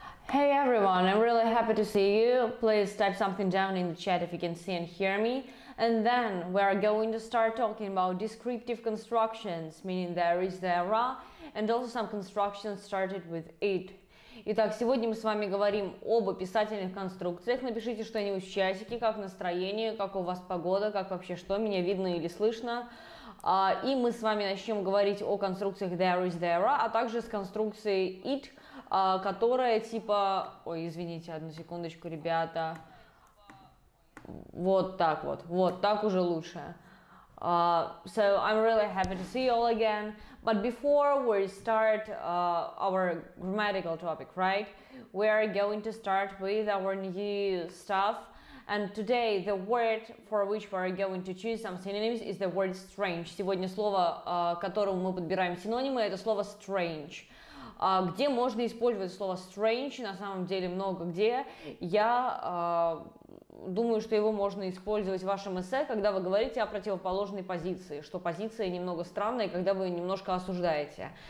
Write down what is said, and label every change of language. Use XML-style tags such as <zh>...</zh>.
<en>Hey everyone, I'm really happy to see you. Please type something down in the chat if you can see and hear me. And then we're going to start talking about descriptive constructions, meaning there is, there are, and also some constructions started with it.</en> <ru>Итак, сегодня мы с вами говорим об описательных конструкциях. Напишите что-нибудь в чатике, как настроение, как у вас погода, как вообще что, меня видно или слышно. И мы с вами начнем говорить о конструкциях there is, there are, а также с конструкцией it, которая типа... Ой, извините, одну секундочку, ребята. Вот так вот. Вот так уже лучше.</ru> <en>So I'm really happy to see you all again. But before we start our grammatical topic, right? We are going to start with our new stuff. And today the word for which we are going to choose some synonyms is the word strange.</en> <ru>Сегодня слово, которому мы подбираем синонимы, это слово strange. Где можно использовать слово strange? На самом деле много где. Я думаю, что его можно использовать в вашем эссе, когда вы говорите о противоположной позиции, что позиция немного странная, когда вы ее немножко осуждаете.</ru>